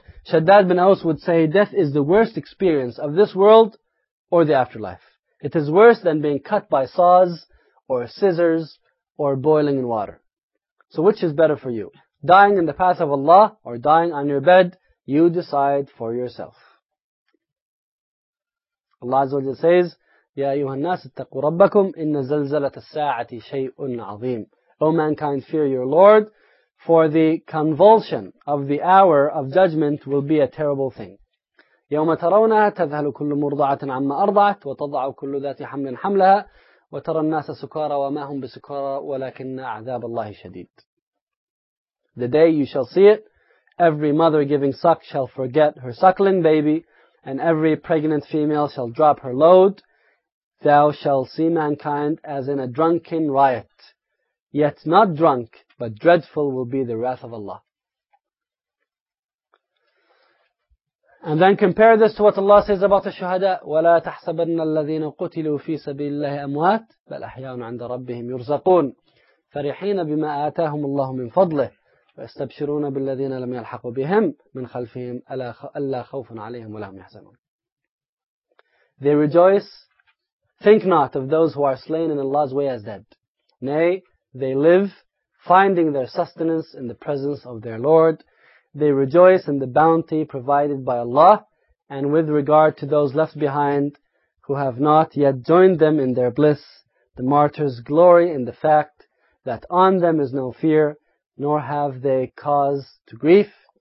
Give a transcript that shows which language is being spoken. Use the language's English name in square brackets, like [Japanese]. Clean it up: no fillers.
[English] Shaddad bin Aus would say, death is the worst experience of this world or the afterlife. It is worse than being cut by saws or scissors or boiling in water. So which is better for you? Dying in the path of Allah or dying on your bed? You decide for yourself. Allah Azza wa Jalla says, [Arabic] يَا أَيُّهَا النَّاسِ اتَّقُوا رَبَّكُمْ إِنَّ زَلْزَلَةَ السَّاعَةِ شَيْءٌ عَظِيمٌ. [English] O mankind, fear your Lord, for the convulsion of the hour of judgment will be a terrible thing. [Arabic] يَوْمَ تَرَوْنَهَا تَذْهَلُ كُلُّ مُرْضَعَةٍ عَمَّا أَرْضَعَتْ وَتَضَعُ كُلُّ ذَاتِ حَمْلٍ حَمْلَهَا وَتَرَى النَّاسَ سُكَارَى وَمَا هُمْ بِسُكَارَى وَلَكِنَّ عَذَابَ اللَّهِ شَدِيدٌ. [English] The day you shall see it, every mother giving suck shall forget her suckling baby, and every pregnant female shall drop her load. Thou shalt see mankind as in a drunken riot. Yet not drunk, but dreadful will be the wrath of Allah. And then compare this to what Allah says about the shuhada. [Arabic] وَلَا تَحْسَبَنَّ الَّذِينَ قُتِلُوا فِي سَبِيلِ اللَّهِ أَمْوَاتٍ بَلْ أَحْيَاءٌ عِنْدَ رَبِّهِمْ يُرْزَقُونَ فَرِحِينَ بِمَا آتَاهُمُ اللَّهُ مِنْ فَضْلِهِ وَيَسْتَبْشِرُونَ بِالَّذِينَ لَمْ يَلْحَقُوا بِهِمْ مِنْ خَلْفِهِمْ أَلَّا خَوْفٌ عَلَيْهِمْ وَلَا هُمْ يَحْزَنُونَ. [English] They rejoice, think not of those who are slain in Allah's way as dead. Nay, they live, finding their sustenance in the presence of their Lord. They rejoice in the bounty provided by Allah, and with regard to those left behind who have not yet joined them in their bliss, the martyrs glory in the fact that on them is no fear, nor have they cause to grief.